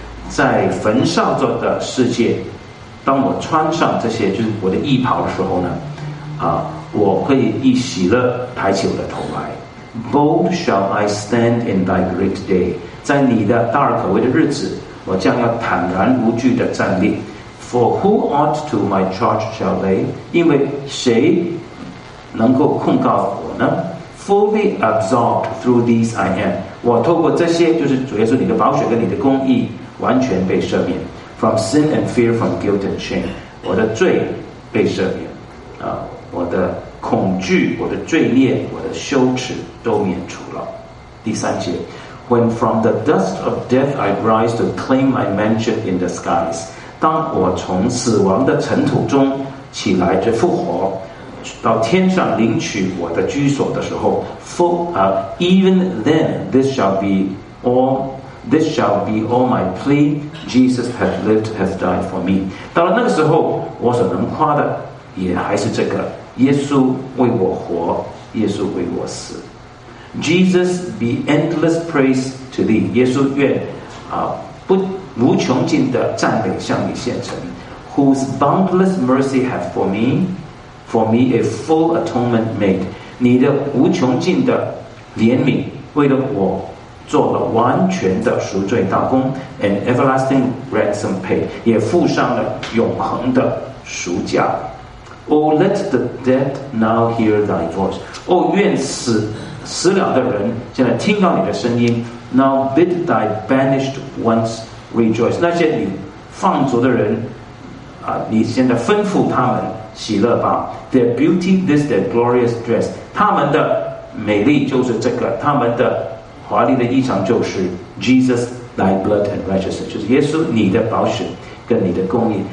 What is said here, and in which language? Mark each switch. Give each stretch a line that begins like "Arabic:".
Chinese: 在焚烧着的世界，当我穿上这些就是我的衣袍的时候呢，我会以喜乐抬起我的头来。
English: Bold shall I stand in thy great day。
Chinese: 在你的大而可畏的日子，我将要坦然无惧的站立。
English: For who ought to my charge shall lay？
Chinese: 因为谁能够控告我呢
English: ？Fully absolved through these I am。
Chinese: 我透过这些，就是主耶稣你的宝血跟你的公义，完全被赦免。
English: From sin and fear, from guilt and shame，
Chinese: 我的罪被赦免。我的恐惧、我的罪孽、我的羞耻都免除了。第三节。
English: When from the dust of death I rise to claim my mansion in the skies，
Chinese: 当我从死亡的尘土中起来就复活，到天上领取我的居所的时候
English: ，even then this shall be all my plea， Jesus hath lived hath died for me。
Chinese: 到了那个时候，我所能夸的也还是这个：耶稣为我活，耶稣为我死。
English: Jesus be endless praise to thee，
Chinese: 耶稣愿不无穷尽的赞美向你献诚。
English: Whose boundless mercy hath for me a full atonement made，
Chinese: 你的无穷尽的怜悯为了我做了完全的赎罪道工。
English: An everlasting ransom paid，
Chinese: 也付上了永恒的赎价。
English: Oh let the dead now hear thy voice，
Chinese: 哦愿死了的人现在听到你的声音。
English: Now bid thy banished ones rejoice，
Chinese: 那些你放逐的人你现在吩咐他们喜乐吧。
English: Their beauty this their glorious dress，
Chinese: 他们的美丽就是这个，他们的华丽的衣裳就是
English: Jesus thy blood and righteousness，
Chinese: 就是耶稣你的宝血跟你的公义。